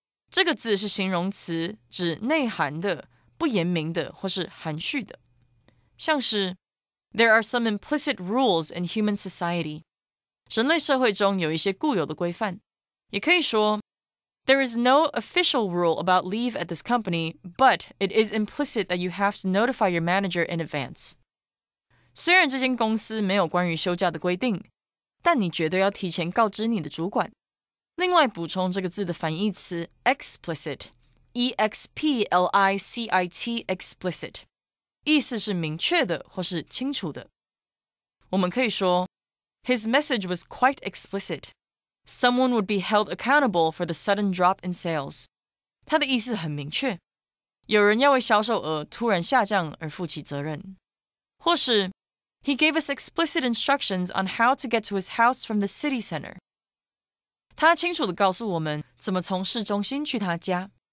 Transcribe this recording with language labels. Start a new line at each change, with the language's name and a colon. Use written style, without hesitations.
Chinese: 这个字是形容词，指内涵的，不言明的，或是含蓄的。像是
English: There are some implicit rules in human society.
Chinese: 人类社会中有一些固有的规范。也可以说
English: There is no official rule about leave at this company, but it is implicit that you have to notify your manager in advance.
Chinese: 虽然这间公司没有关于休假的规定，但你绝对要提前告知你的主管。另外补充这个字的反义词 explicit, E-X-P-L-I-C-I-T, explicit, 意思是明确的或是清楚的。我们可以说
English: His message was quite explicit. Someone would be held accountable for the sudden drop in sales.
Chinese: 他的意思很明确。有人要为销售额突然下降而负起责任。或是
English: He gave us explicit instructions on how to get to his house from the city center.
Chinese: 他清楚地告诉我们怎么从市中心去他家。